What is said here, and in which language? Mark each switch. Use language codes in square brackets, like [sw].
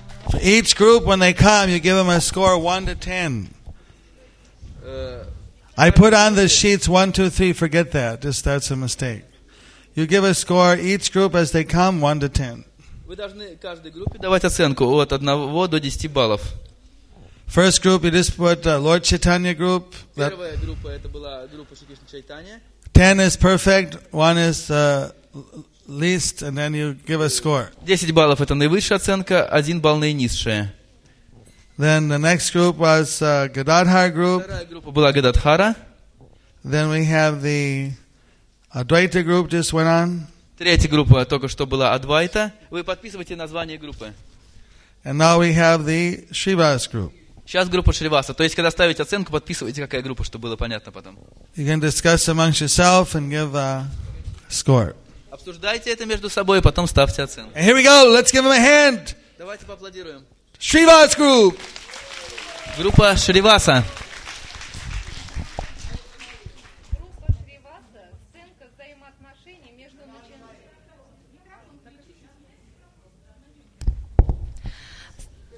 [en] For each group, when they come, you give them a score 1 to 10. I put on the sheets 1, 2, 3, forget that. Just, that's a mistake. You give a score each group as they come, 1 to 10. [ru] Вы должны каждой группе давать оценку от 1 до 10 баллов. [en] First group, you just put Lord Chaitanya group. [ru] That, первая группа, это была группа Шри Кришна Чайтанья. [en] 10 is perfect, 1 is least, and then you give a score. [ru] 10 баллов, это наивысшая оценка, 1 балл наинизшая. [en] Then the next group was Gadadhar group. [ru] Вторая группа была Гададхара. [en] Then we have the Advaita group just went on. [ru] Третья группа только что была Адвайта. Вы подписываете название группы. [en] And now we have the Shrivas group. [ru] Сейчас группа Шриваса. То есть, когда ставите оценку, подписывайте, какая группа, чтобы было понятно потом. [en] You can discuss amongst yourself and give a score. [ru] Обсуждайте это между собой, потом ставьте оценку. [en] And here we go. Let's give them a hand. [ru] Давайте поаплодируем. [en] Shrivas group. [ru] Группа Шривасса. Группа Шривасса. Сценка взаимоотношений между начинающими.